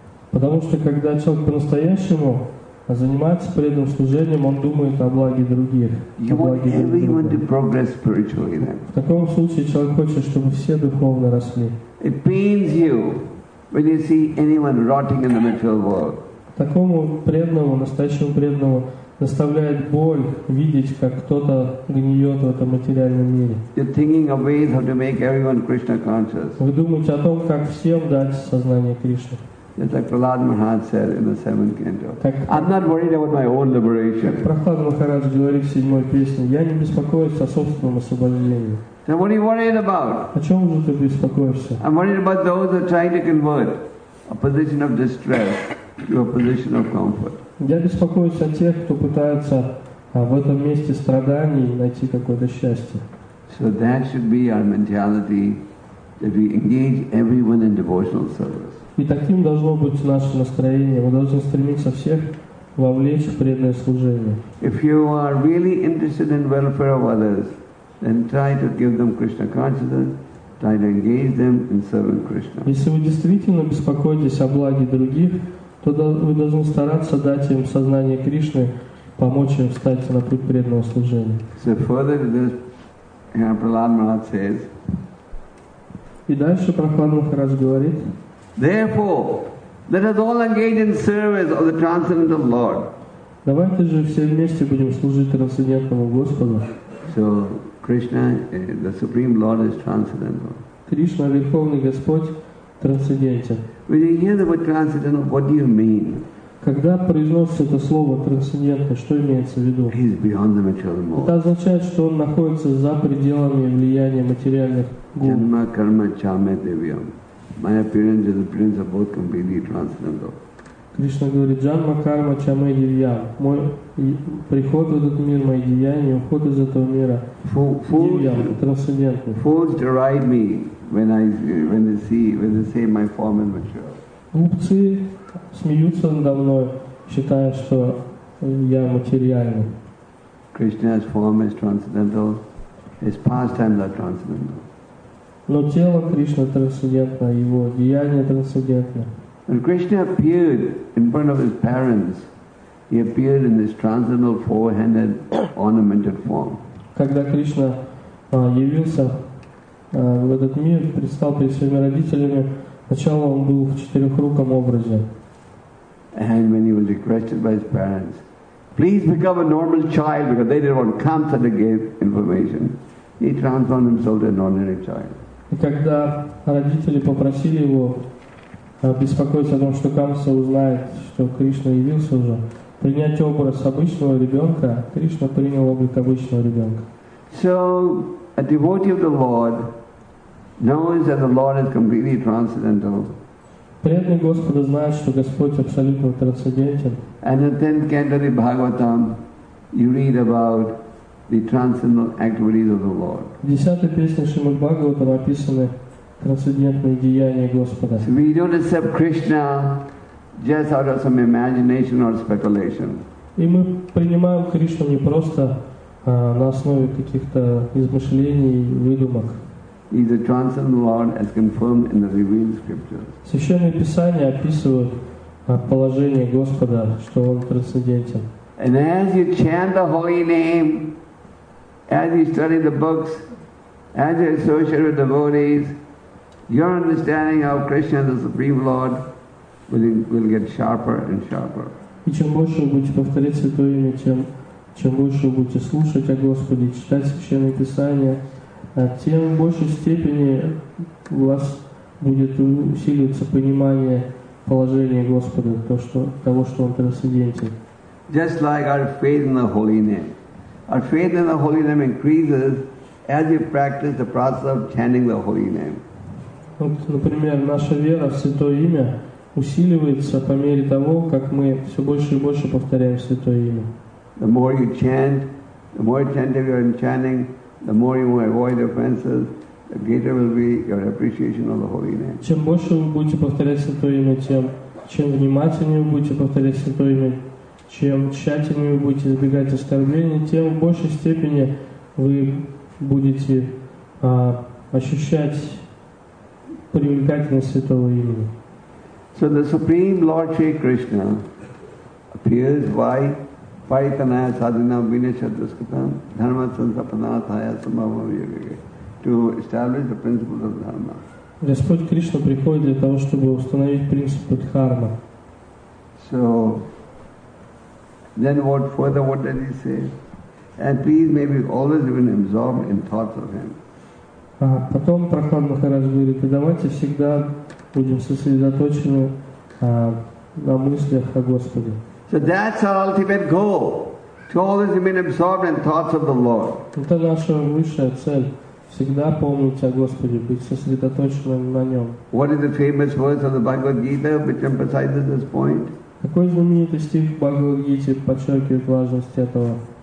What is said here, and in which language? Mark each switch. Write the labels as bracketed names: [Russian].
[Russian] Потому что когда человек по-настоящему занимается преданным служением, он думает о благе других. В таком случае человек хочет, чтобы все духовно росли. [English] It pains you when you see anyone rotting in the material world. [Russian] Такому преданному, настоящему преданному, доставляет боль видеть, как кто-то гниет в этом материальном мире. [English] You're thinking of ways how to make everyone Krishna conscious. [Russian] Вы думаете о том, как всем дать сознание Кришны. [English] Just like Prahlad Maharaj said in the 7th canto. I'm not worried about my own liberation. [Russian] Прохлад Махарадж говорит в 7-й песне, я не беспокоюсь о собственном освобождении. [English] Then what are you worried about? [Russian] О чем же ты беспокоишься? [English] I'm worried about those who are trying to convert a position of distress to a position of comfort. [Russian] Я беспокоюсь о тех, кто пытается в этом месте страданий найти какое-то счастье. [English] So that should be our mentality, that we engage everyone in devotional service. [Russian] И таким должно быть наше настроение. Мы должны стремиться всех вовлечь в преданное служение. [English] If you are really interested in welfare of others, then try to give them Krishna consciousness, try to engage them in serving Krishna. [Russian] Если вы действительно беспокоитесь о благе других, то вы должны стараться дать им сознание Кришны, помочь им встать на путь преданного служения. [English] So further this, Prahlad Maharaj says. [Russian] И дальше Прохлад Махарадж говорит. [English] Therefore, let us all engage in service of the transcendental Lord. [Russian] Давайте же все вместе будем служить трансцендентному Господу. [English] So Krishna, the Supreme Lord, is transcendental. [Russian] Кришна, Верховный Господь, трансцендентен. [English] When you hear the word transcendental, what do you mean? [Russian] Когда произносится это слово трансцендентно, что имеется в виду? [English] He's beyond the material world. [Russian] Это означает, что он находится за пределами влияния материальных гун. [Sanskrit] Janma karma chame devyam. [English] My appearance and appearance are both completely transcendental. [Russian] Кришна говорит, [Sanskrit] Janma karma chame devyam. [Russian] Мой приход в этот мир, мои деяния, уход из этого мира [Sanskrit] devyam, [Russian] трансцендентный. [English] Fools deride me when they say my form is material. [Russian] Глупцы смеются надо мной, считая, что я материальный. [English] Krishna's form is transcendental. His pastimes are transcendental. [Russian] Но тело Кришны трансцендентно, его деяния трансцендентны. [English] When Krishna appeared in front of his parents, he appeared in this transcendental four-handed ornamented form. [Russian] Когда Кришна явился в этот мир, предстал перед своими родителями, сначала он был в четырехруком образе. [English] And when he was requested by his parents, please become a normal child, because they didn't want Kamsa to give information, he transformed himself to an ordinary child. [Russian] И когда родители попросили его беспокоиться о том, что Камса узнает, что Кришна явился уже, принять образ обычного ребенка, Кришна принял облик обычного ребенка. [English] So, a devotee of the Lord knows that the Lord is completely transcendental. [Russian] Преданный Господу знает, что Господь абсолютно трансцендентен. [English] And in the 10th canto of Bhagavatam, you read about the transcendental activities of the Lord. [Russian] В 10-й песне Шримад Бхагаватам описаны трансцендентные деяния Господа. [English] So we don't accept Krishna just out of some imagination or speculation. [Russian] И мы принимаем Кришну не просто на основе каких-то измышлений и выдумок. [English] He is a transcendental Lord as confirmed in the revealed scriptures. [Russian] Священные писания описывают положение Господа, что Он трансцендентен. [English] And as you chant the holy name, as you study the books, as you associate with devotees, your understanding of Krishna as the Supreme Lord will get sharper and sharper. [Russian] И чем больше вы будете повторять Святое Имя, чем больше вы будете слушать о Господе, читать священные писания, тем в большей степени у вас будет усиливаться понимание положения Господа, того, что Он трансцендентен. [English] Just like our faith in the holy name. Our faith in the holy name increases as you practice the process of chanting the holy name. [Russian] Например, наша вера в Святое Имя усиливается по мере того, как мы все больше и больше повторяем Святое Имя. [English] The more you chant, the more attentive you are in chanting, the more you avoid offenses, the greater will be your appreciation of the holy name. [Russian] Чем больше вы будете повторять Святое Имя, тем чем внимательнее вы будете повторять Святое Имя, чем тщательнее вы будете избегать оскорблений, тем в большей степени вы будете ощущать привлекательность Святого Имени. [English] So the Supreme Lord Sri Krishna appears by [Sanskrit] Paritanaya sadhana vinashadraskatam dharma sansapanathaya samabham yagage [English] to establish the principles of dharma. [Russian] Господь Кришна приходит для того, чтобы установить принципы дхармы. [English] So, then what further what does he say? And please may we always be absorbed in thoughts of him. [Russian] Потом Прохлад Махарадж говорит, и давайте всегда будем сосредоточены на мыслях о Господе. [English] So that's our ultimate goal, to always remain absorbed in thoughts of the Lord. [Russian] Это наша высшая цель, всегда помнить о Господе, быть сосредоточенным на Нем. [English] What is the famous verse of the Bhagavad Gita which emphasizes this point? [Russian] Какой знаменитый стих в Бхагавад Гите подчеркивает важность этого?